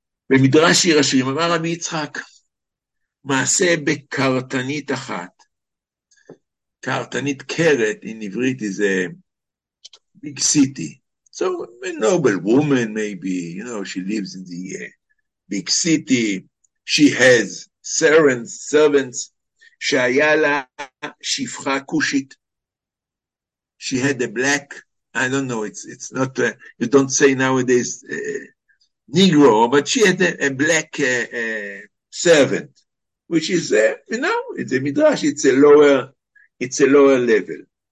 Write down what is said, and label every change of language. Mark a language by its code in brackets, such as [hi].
[he] במדרש שיר השירים, אמר רבי יצחק, מעשה בקרטנית אחת. [en] קרטנית קרת, in עברית, is a big city. So, a noble woman, maybe, you know, she lives in the big city. She has servants, [he] שהיה לה שפחה כושית. [en] She had a black, I don't know, it's not, you don't say nowadays, Negro, but she had a black servant, which is, it's a midrash, it's a lower level.